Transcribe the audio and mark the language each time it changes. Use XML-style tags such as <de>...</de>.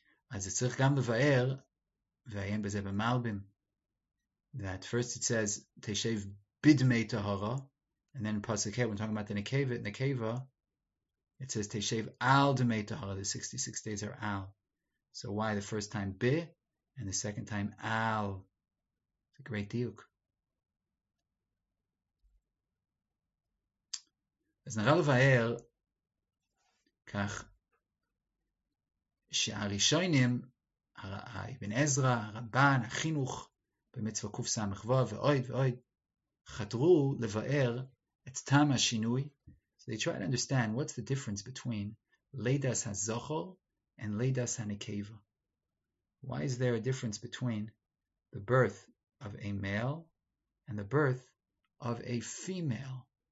<he>אז זה צריך גם לבאר, ועיין בזה במלבים,</he> <en>that first it says,</en> <he>תשב בדמי טהרה,</he> <en>and then in Pasuk when talking about the Nekeva, it says,</en> <he>תשב על דמי טהרה,</he> <en>the 66 days are על. So why the first time ב, and the second time על? It's a great דיוק.</en> <he>אז נראה לבאר כך שהראשונים, אבן עזרא, הרמב"ן, החינוך במצווה קס"ו ועוד ועוד, חתרו לבאר את טעם השינוי.</he> <en>So they try to understand what's the difference between</en> <he>לידס הזוכר</he> <en>and</en> <he>לידס הנקבה.</he> <en>Why is there a difference between the birth of a male and the birth of a female?</en>